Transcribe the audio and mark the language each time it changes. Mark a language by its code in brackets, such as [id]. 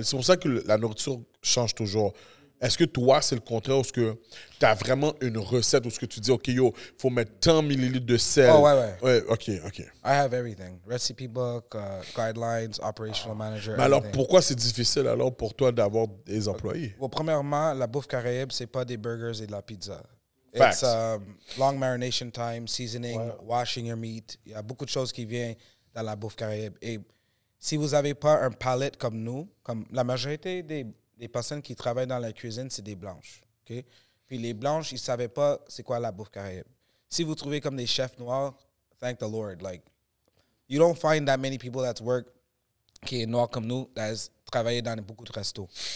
[fr] C'est pour ça que la nourriture change toujours. Est-ce que toi, c'est le contraire ou est-ce que tu as vraiment une recette ou est-ce que tu dis, OK, yo, il faut mettre tant de millilitres de sel? Oh, ouais, ouais. Ouais, OK, OK. [en] I have everything. Recipe book, guidelines, operational manager. [fr] Mais alors, pourquoi c'est difficile alors pour toi d'avoir des employés? Well, premièrement, la bouffe caraïbe, ce n'est pas des burgers et de la pizza. [en] Facts. It's long marination time, seasoning, washing your meat. [fr] Il y a beaucoup de choses qui viennent dans la bouffe caraïbe. Et si vous n'avez pas un palette comme nous, comme la majorité des personnes qui travaillent dans la cuisine, c'est des blanches. Okay? Puis les blanches, ils ne savaient pas c'est quoi la bouffe caraïbe. Si vous trouvez comme des chefs noirs, [en] thank the Lord. Like, you don't find that many people that's work [fr] qui est noir comme nous, [en] that has [fr] travaillé dans beaucoup de restos.